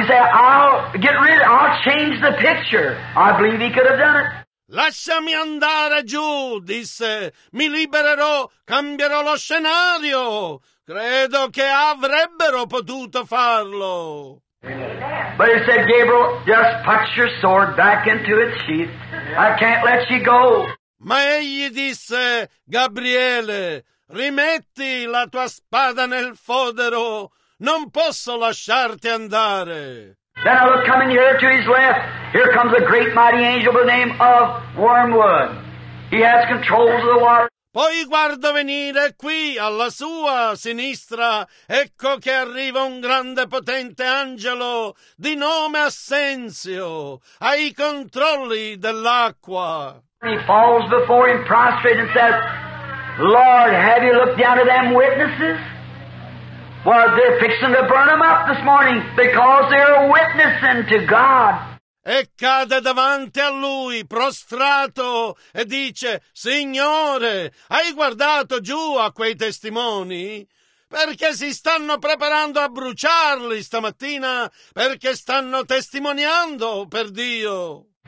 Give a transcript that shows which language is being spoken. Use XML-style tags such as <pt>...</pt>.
<en>He said, I'll get rid of it. I'll change the picture. I believe he could have done it.</en> <it>Lasciami andare giù, disse. Mi libererò, cambierò lo scenario. Credo che avrebbero potuto farlo.</it> <en>But he said, Gabriel, just put your sword back into its sheath. I can't let you go.</en> <it>Ma egli disse, Gabriele, rimetti la tua spada nel fodero. Non posso lasciarti andare.</it> <en>Then I look coming here to his left. Here comes a great mighty angel by the name of Wormwood. He has control of the water.</en> <it>Poi guardo venire qui, alla sua sinistra, ecco che arriva un grande potente angelo di nome Assenzio, ai controlli dell'acqua.</it> <en>He falls before him prostrate and says, Lord, have you looked down at them witnesses? Well, they're fixing to burn them up this morning because they're witnessing to God.</en> <it>E cade davanti a lui, prostrato, e dice, Signore, hai guardato giù a quei testimoni? Perché si stanno preparando a bruciarli stamattina, perché stanno testimoniando per Dio.</it>